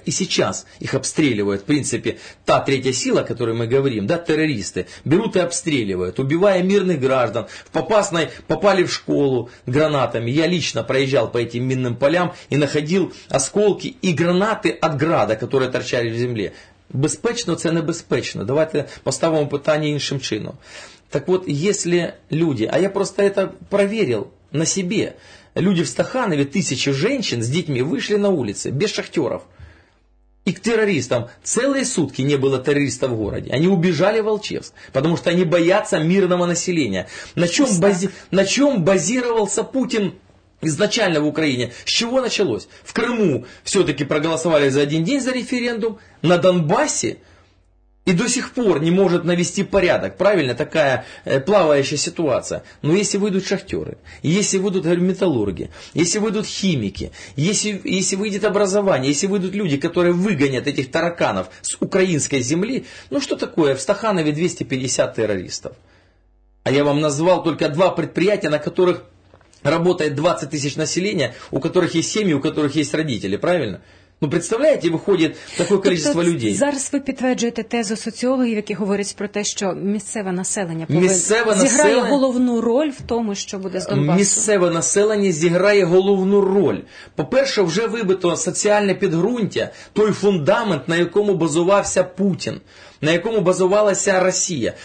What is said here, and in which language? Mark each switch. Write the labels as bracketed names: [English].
[Russian] И сейчас их обстреливают, в принципе, та третья сила, о которой мы говорим, да, террористы, берут и обстреливают, убивая мирных граждан. В Попасной попали в школу гранатами. Я лично проезжал по этим минным полям и находил осколки и гранаты от града, которые торчали в земле. [Ukrainian] Безпечно це небезпечно. Давайте поставимо питання іншим чином. [Russian] Так вот, если люди, а я просто это проверил на себе, люди в Стаханове, тысячи женщин с детьми вышли на улицы, без шахтеров. И к террористам. Целые сутки не было террористов в городе. Они убежали в Волчевск, потому что они боятся мирного населения. На чем базировался Путин изначально в Украине? С чего началось? В Крыму все-таки проголосовали за один день за референдум. На Донбассе и до сих пор не может навести порядок. Правильно, такая плавающая ситуация. Но если выйдут шахтеры, если выйдут металлурги, если выйдут химики, если выйдет образование, если выйдут люди, которые выгонят этих тараканов с украинской земли, ну что такое, в Стаханове 250 террористов. А я вам назвал только 2 предприятия, на которых Работает 20 тысяч населения, у которых есть семьи, у которых есть родители, правильно? Ну, представляете, виходит такое количество [Ukrainian] тобто, [Russian] людей. [Ukrainian] Зараз ви підтверджуєте тезу соціологів, які говорять про те, що місцеве населення зіграє головну роль в тому, що буде з Донбасом. Місцеве населення зіграє головну роль. По-перше, вже вибито соціальне підґрунтя, той фундамент, на якому базувався Путін, на якому базувалася Росія.